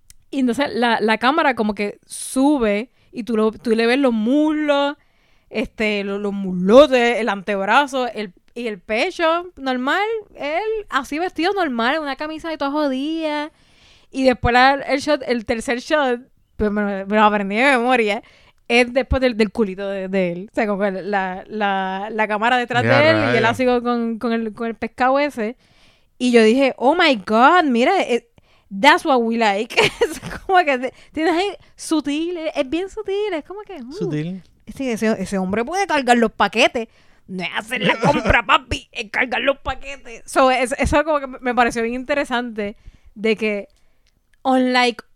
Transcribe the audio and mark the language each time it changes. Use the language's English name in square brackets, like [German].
[Spanish] Y entonces la cámara como que sube y tú le ves los muslos, los muslotes, el antebrazo, el pecho normal, él así vestido normal, una camisa de todos los días. Y después el tercer shot, pues me lo aprendí de memoria, es después del culito de él. O sea, como la cámara detrás de él, y él así con el pescado ese. Y yo dije, [English] oh my God, [Spanish] mira, [English] that's what we like. [Spanish] Es como que tienes ahí sutil, es bien sutil, es como que... ¿Sutil? Sí, ese hombre puede cargar los paquetes. No es hacer la compra, papi, es cargar los paquetes. Eso como que me pareció bien interesante, de que... Unlike